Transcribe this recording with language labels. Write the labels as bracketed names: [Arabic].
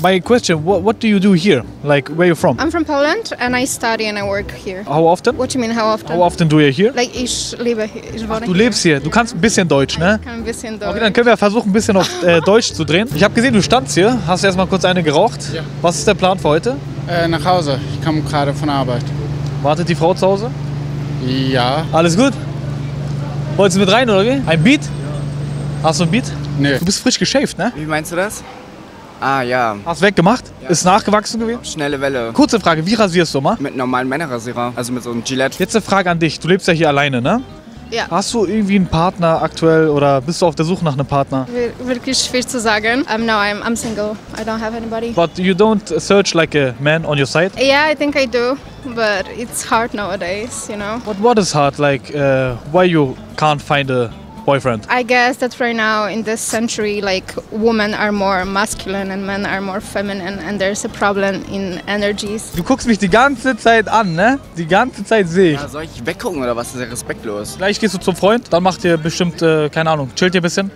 [English] My question, what do you do here? Like, where are you from? I'm from Poland and I study and I work here. How often? What do you mean, how often? How often do you here? [German] Like, ich lebe hier. Ich wohne du lebst hier. Du kannst ein bisschen Deutsch, ne? Ich kann ein bisschen Deutsch. Okay, dann können wir versuchen, ein bisschen auf Deutsch zu drehen. Ich habe gesehen, du standst hier. Hast erstmal kurz eine geraucht. Ja. Was ist der Plan für heute? Nach Hause. Ich komme gerade von Arbeit. Wartet die Frau zu Hause? Ja. Alles gut? Wolltest du mit rein, oder wie? Ein Beat? Ja. Hast du ein Beat? Nee. Du bist frisch geschäft, ne? Wie meinst du das? Ah, ja. Hast du weggemacht? Ja. Ist nachgewachsen gewesen? Schnelle Welle. Kurze Frage, wie rasierst du mal? Mit normalen Männerrasierer, also mit so einem Gillette. Jetzt eine Frage an dich. Du lebst ja hier alleine, ne? Ja. Hast du irgendwie einen Partner aktuell oder bist du auf der Suche nach einem Partner? Wirklich schwer zu sagen. [English] No, I'm single. I don't have anybody. But you don't search like a man on your side? Yeah, I think I do. But it's hard nowadays, you know? But what is hard? Like, why you can't find a boyfriend? I guess that right now in this century, like, women are more masculine and men are more feminine and there's a problem in energies. [German] Du guckst mich die ganze Zeit an, ne? Die ganze Zeit sehe ich. Ja, soll ich weggucken oder was? Das ist ja respektlos. Vielleicht gehst du zum Freund, dann macht ihr bestimmt, keine Ahnung, chillt ihr ein bisschen?